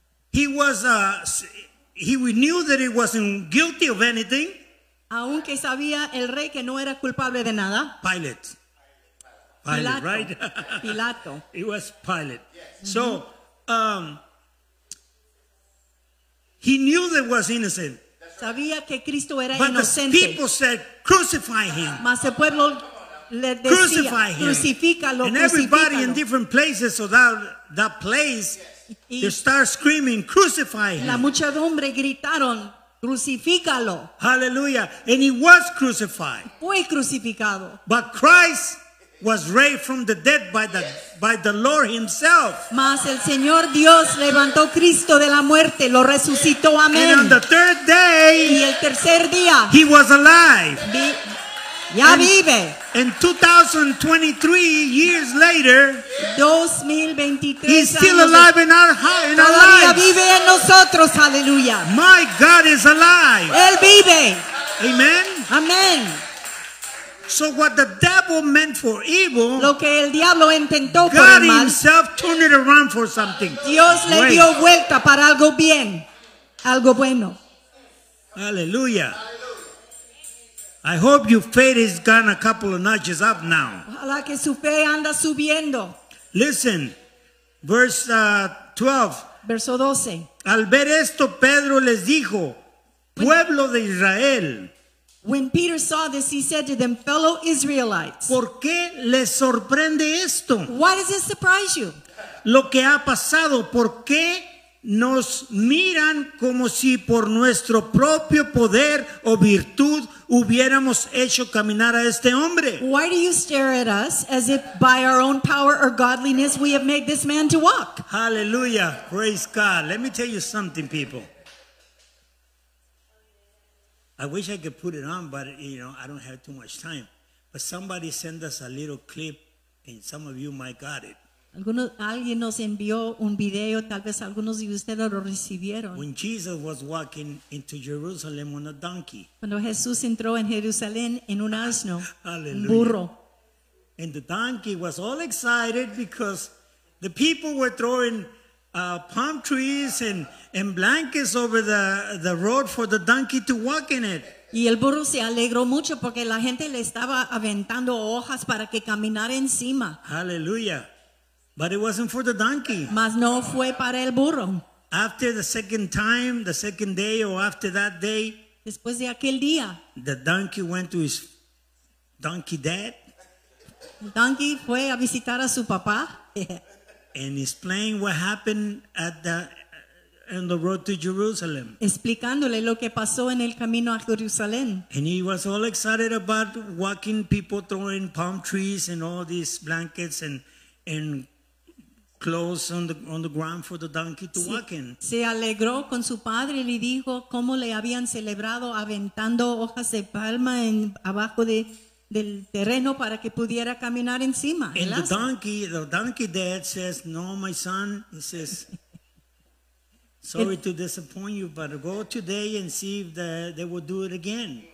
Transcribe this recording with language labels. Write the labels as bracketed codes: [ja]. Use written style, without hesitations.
[en] He knew that he wasn't guilty of anything. [es] Aunque sabía el rey que no era culpable de nada. [en] Pilate. Pilate, right? [es] Pilato. [en] It was Pilate. Yes. So, he knew that was innocent. [es] Sabía que Cristo era [en] but [es] inocente. [en] The people said, crucify him. [es] Mas el pueblo le decía, [en] crucify him. [es] Crucifícalo. [en] And everybody in different places, so that place, yes. They start screaming, crucify him. [es] La muchedumbre gritaron, crucifícalo. [en] Hallelujah. And he was crucified. [es] Fue crucificado. [en] But Christ was raised from the dead by the Lord himself. [es] Mas el Señor Dios levantó Cristo de la muerte, lo resucitó, amén. [en] And on the third day, [es] y el tercer día, [en] he was alive. [es] Ya vive. [en] And 2023 years later, [es] 2023 [en] he's still alive in our lives. [es] Todavía vive en nosotros, aleluya. [en] My God is alive. [es] Él vive. [en] Amen. [es] Amen. [en] So what the devil meant for evil, [es] lo que el diablo intentó [en] God [es] para mal, [en] himself turned it around for something. [es] Dios le great. Dio vuelta para algo bien, algo bueno. [en] Hallelujah. I hope your faith has gone a couple of notches up now. [es] Ojalá que su fe anda subiendo. [en] Listen, verse 12. [es] Al ver esto, Pedro les dijo, pueblo de Israel. [en] When Peter saw this, he said to them, fellow Israelites. [es] ¿Por qué les sorprende esto? [en] Why does it surprise you? [es] Lo que ha pasado, ¿por qué nos miran como si por nuestro propio poder o virtud hubiéramos hecho caminar a este hombre? [en] Why do you stare at us as if by our own power or godliness we have made this man to walk? Hallelujah. Praise God. Let me tell you something, people. I wish I could put it on, but you know, I don't have too much time. But somebody send us a little clip, and some of you might got it. [es] Alguien nos envió un video, tal vez algunos de ustedes lo recibieron. [en] When Jesus was walking into Jerusalem on a donkey. [es] Cuando Jesús entró en Jerusalén en un asno, [en] hallelujah. [es] Un burro. [en] And the donkey was all excited because the people were throwing palm trees and blankets over the road for the donkey to walk in it. [es] Y el burro se alegró mucho porque la gente le estaba aventando hojas para que caminara encima. [en] Hallelujah. But it wasn't for the donkey. [es] Mas no fue para el burro. [en] After the second time, the second day, or after that day, [es] después de aquel día, [en] the donkey went to his donkey dad. [es] El donkey fue a visitar a su papá. [en] And explained what happened on the road to Jerusalem. [es] Explicándole lo que pasó en el camino a Jerusalén. [en] And he was all excited about walking, people throwing palm trees and all these blankets and clothes on the ground for the donkey to walk in. [es] Se alegró con su padre y le dijo cómo le habían celebrado aventando hojas de palma en abajo del terreno para que pudiera caminar encima. [en] And the donkey dad says, no, my son, he says, sorry to disappoint you, but go today and see if they will do it again.